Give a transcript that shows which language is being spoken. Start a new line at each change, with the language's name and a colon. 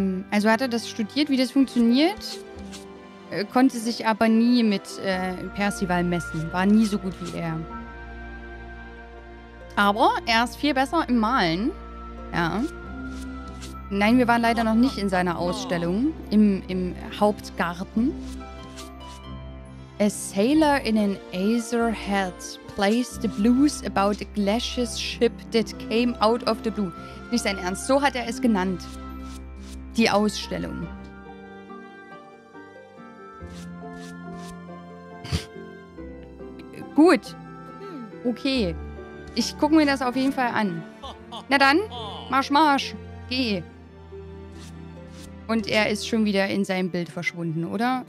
German: Also hat er das studiert, wie das funktioniert, konnte sich aber nie mit Percival messen, war nie so gut wie er. Aber er ist viel besser im Malen, ja. Nein, wir waren leider noch nicht in seiner Ausstellung, im Hauptgarten.
English: A sailor in an Azure hat plays the blues about a glacious ship that came out of the blue.
German: Nicht sein Ernst, so hat er es genannt. Die Ausstellung. Gut. Okay. Ich gucke mir das auf jeden Fall an. Na dann, marsch, marsch. Geh. Und er ist schon wieder in seinem Bild verschwunden, oder?